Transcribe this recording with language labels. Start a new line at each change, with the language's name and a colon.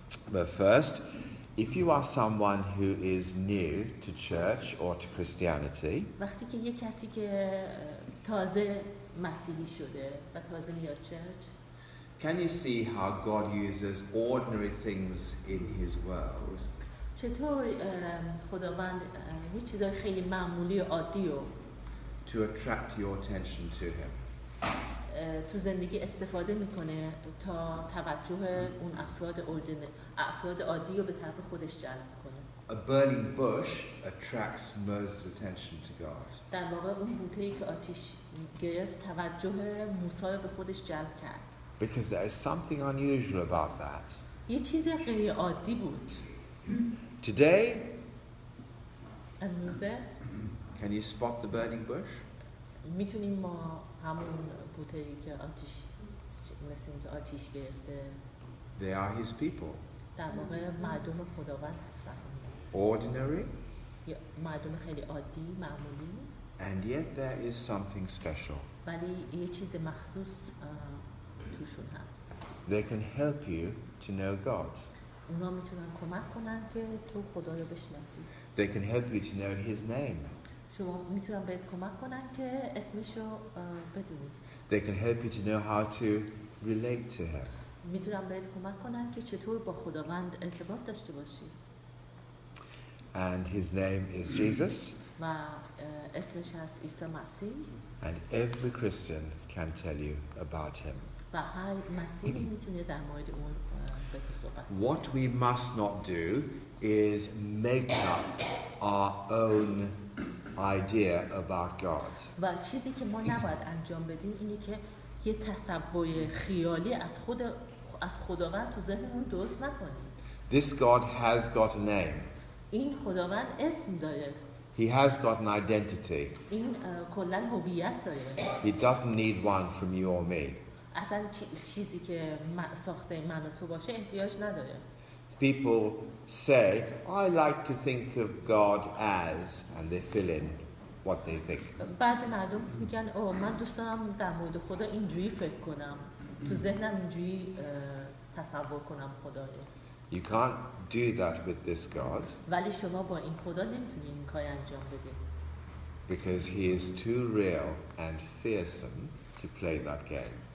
English: But first, if you are someone who is new to church or to Christianity,
Persian: وقتی که یک کسی که تازه مسیحی شده و تازه میاد چرچ,
English: can you see how God uses ordinary things in His world?
Persian: چطور خداوند یه چیزای خیلی معمولی و عادی رو
English: to attract your attention to Him.
Persian: تو زندگی استفاده میکنه تا توجه اون افراد اوردینری افراد عادی رو به طرف خودش جلب کنه.
English: A burning bush attracts Moses' attention to God.
Persian: در واقع اون بوته ای که آتش گرفت توجه موسی رو به خودش جلب کرد.
English: Because there is something unusual about that.
Persian: یه چیز غیر عادی بود.
English: Today?
Persian: امروزه?
English: Can you spot the burning bush?
Persian: میتونیم ما همون بوته ای که آتش مثل اینکه آتش گرفته.
English: They are his people.
Persian: در واقع مردم خداوند هستن.
English: Ordinary.
Persian: مردم خیلی عادی، معمولی.
English: And yet there is something special.
Persian: ولی یه چیز مخصوص توشون هست.
English: They can help you to know God.
Persian: اونا میتونن کمک کنن که تو خدا رو بشناسی.
English: They can help you to know His name.
Persian: شما میتونن بهت کمک کنن که اسمش رو بدونی.
English: They can help you to know how to relate to Him.
Persian: میتونم بهت کمک کنم که چطور با خداوند ارتباط داشته باشی.
English: And his name is Jesus.
Persian: و اسمش هست عیسی مسیح.
English: And every Christian can tell you about him.
Persian: و هر مسیحی میتونه در مورد اون به تو صحبت کنه.
English: What we must not do is make up our own idea about God.
Persian: و چیزی که ما نباید انجام بدیم اینه که یه تصور خیالی از خداوند تو ذهنمون درست نکنیم.
English: This God has got a name.
Persian: این خداوند اسم داره.
English: He has got an identity.
Persian: این کلاً هویت داره.
English: He doesn't need one from you or me.
Persian: اصلا چیزی که ساخته من و تو باشه احتیاج نداره.
English: People say, I like to think of God as, and they fill in what they think.
Persian: بعضی مردم میگن او من دوست دارم در مورد خدا اینجوری فکر کنم. تو ذهنم اینجوری تصور کنم خدا رو.
English: You can't do that with this God.
Persian: ولی شما با این خدا نمیتونی این کار انجام بدی.
English: Because he is too real and fearsome to play that game.